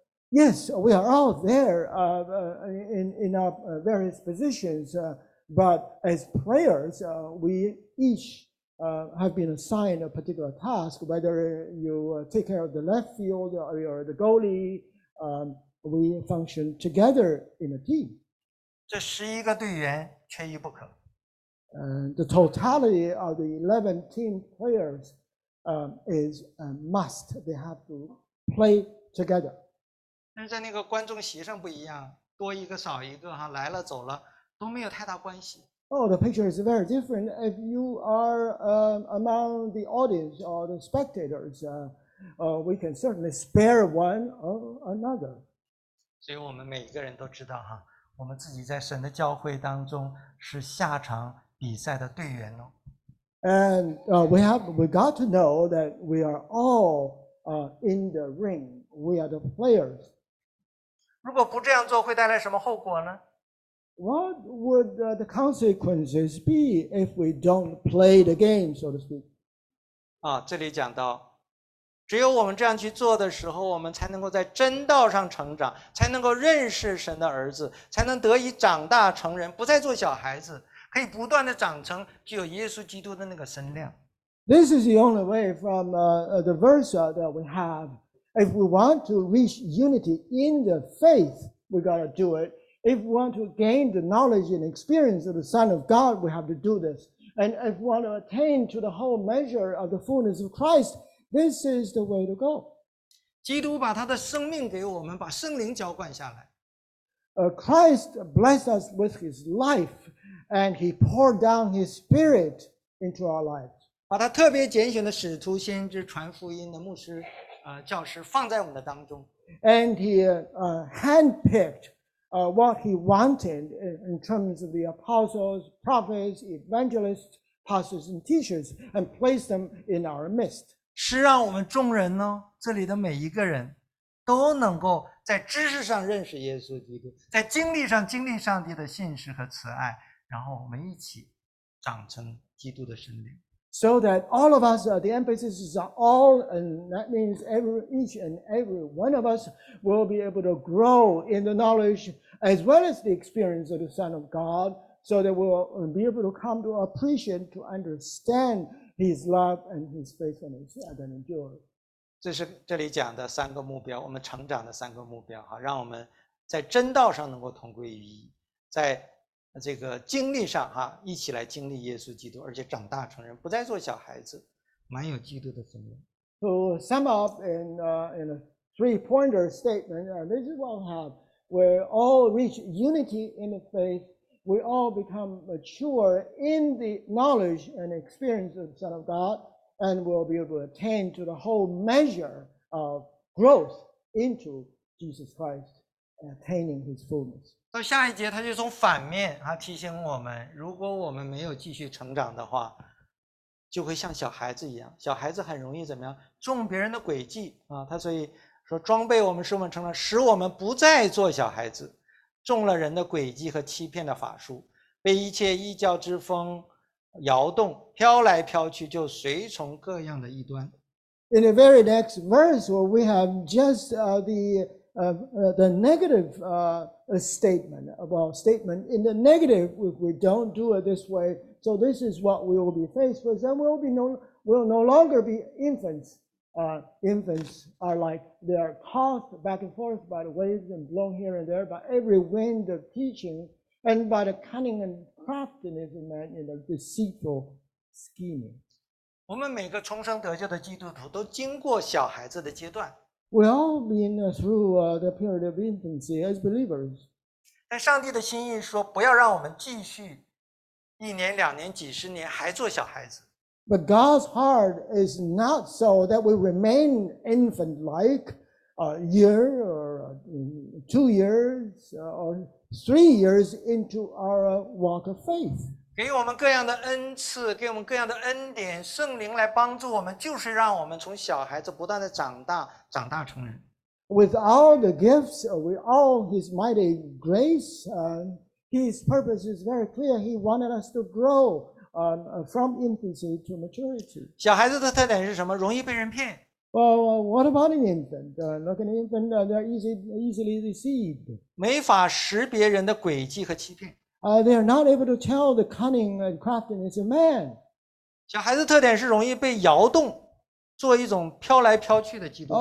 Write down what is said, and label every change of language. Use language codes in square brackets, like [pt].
[en] Yes, we are all there in our various positions, but as players, we each have been assigned a particular task, whether you take care of the left field or you're the goalie, we function together in a team. [zh] 这十一个队员缺一不可。 [en] The totality of the 11 team players is a must. They have to play together. [zh] 但是在那个观众席上不一样，多一个少一个哈，来了走了都没有太大关系。 [en] Oh, the picture is very different. If you are among the audience or the spectators, we can certainly spare one or another. [zh] 所以我们每一个人都知道哈，我们自己在神的教会当中是下场比赛的队员哦。 [en] And we got to know that we are all in the ring. We are the players. [zh] 如果不这样做会带来什么后果呢？ [en] What would the consequences be if we don't play the game, so to speak? [zh] 啊，这里讲到，只有我们这样去做的时候，我们才能够在真道上成长，才能够认识神的儿子，才能得以长大成人，不再做小孩子，可以不断的长成具有耶稣基督的那个身量。 [en] This is the only way from the verse that we have. If we want to reach unity in the faith, we gotta do it. If we want to gain the knowledge and experience of the Son of God, we have to do this. And if we want to attain to the whole measure of the fullness of Christ, this is the way to go. [zh] 基督把他的生命给我们，把圣灵浇灌下来。 [en] Christ blessed us with his life, and he poured down his spirit into our lives. [zh] 把他特别拣选的使徒、先知、传福音的牧师、教师放在我们的当中。 [en] And he handpicked what he wanted in terms of the apostles, prophets, evangelists, pastors, and teachers, and placed them in our midst. [zh] 是让我们众人呢，这里的每一个人都能够在知识上认识耶稣基督，在经历上经历上帝的信实和慈爱，然后我们一起长成基督的身量。 [en] So that all of us, the emphasis is all, and that means each and every one of us will be able to grow in the knowledge as well as the experience of the Son of God, so that we'll be able to come to appreciate, to understand His love and His faithfulness and endure. [zh] 这是这里讲的三个目标，我们成长的三个目标，好，让我们在真道上能够同归于一，在这个经历上哈，一起来经历耶稣基督，而且长大成人，不再做小孩子，满有基督的生命。 [en] To sum up in a three-pointer statement, this is what we have. We all reach unity in the faith. We all become mature in the knowledge and experience of the Son of God, and we'll be able to attain to the whole measure of growth into Jesus Christ, attaining His fullness. [zh] 到下一节他就从反面他提醒我们，如果我们没有继续成长的话，就会像小孩子一样，小孩子很容易怎么样，中别人的诡计啊！他所以说装备我们使我们成长，使我们不再做小孩子，中了人的诡计和欺骗的法术，被一切异教之风摇动，飘来飘去，就随从各样的异端。 [en] In the very next verse we have just the negative statement in the negative, if we don't do it this way, so this is what we will be faced with, and we'll no longer be infants. Infants are like, they are tossed back and forth by the waves and blown here and there by every wind of teaching and by the cunning and craftiness of man in the deceitful scheming. [zh] 我们每个重生得救的基督徒都经过小孩子的阶段。 [en] We all been through the period of infancy as believers. [zh] 但上帝的心意说，不要让我们继续一年、两年、几十年还做小孩子。 [en] But God's heart is not so that we remain infant-like, a year or 2 years or 3 years into our walk of faith. [zh] 给我们各样的恩赐，给我们各样的恩典，圣灵来帮助我们，就是让我们从小孩子不断的长大。长大成人。 [en] With all the gifts, with all His mighty grace, His purpose is very clear. He wanted us to grow from infancy to maturity. [zh] 小孩子的特点是什么？容易被人骗。 [en] Well, what about an infant? Look at an infant, they're easily deceived. [zh] 没法识别人的诡计和欺骗。 [en] They are not able to tell the cunning and craftiness of man. [zh] 小孩子特点是容易被摇动。做一种飘来飘去的基督徒。